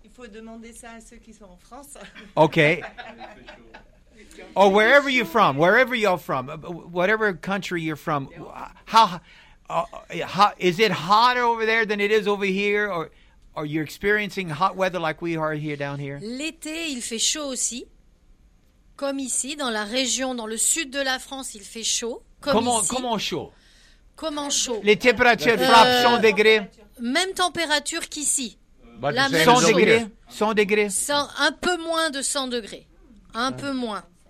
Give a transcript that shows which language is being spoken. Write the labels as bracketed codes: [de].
[fr] Il faut demander ça à ceux qui sont en France. [en] Okay. Oh, wherever you're from, whatever country you're from, how is it hotter over there than it is over here, or are you experiencing hot weather like we are here down here? [fr] L'été, il fait chaud aussi. Comme ici, dans la région, dans le sud de la France, il fait chaud. Comment chaud? Les températures frappent 100 degrés. Même température qu'ici. 100 degrés. Un peu moins de 100 degrés. Un peu moins.